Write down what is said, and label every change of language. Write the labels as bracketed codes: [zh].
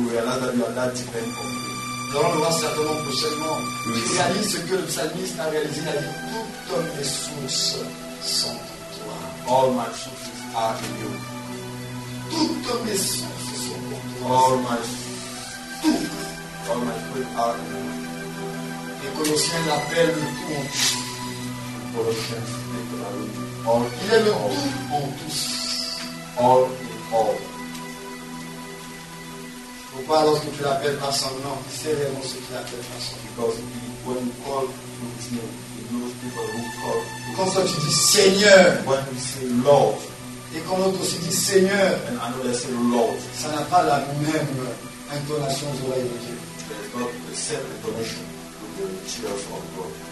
[en] You realize that your life depends on me. [fr] Dans le voir certainement prochainement, oui, tu réalises ce que le psalmiste a réalisé, il a dit, toutes mes sources sont en toi. [en] All my sources are in you. [fr] Toutes mes sources sont en toi. [en] All my sources. All my sources are in you. [fr] Les Colossiens l'appellent le tout en tout. Les Colossiens l'appellent le tout. Il est le tout en tous. [en] All in all. [fr] Pourquoi lorsque tu l'appelles par son nom, tu sais vraiment ce qu'il appelle par son nom. [en] Because when you call through his name, he knows people who call. [fr] Quand toi tu dis Seigneur, [en] when you say Lord, [fr] et quand l'autre aussi dit Seigneur, [en] and another say Lord, [fr] ça n'a pas la même intonation aux oreilles de Dieu. [en] There's not the same intonation to the ears of God.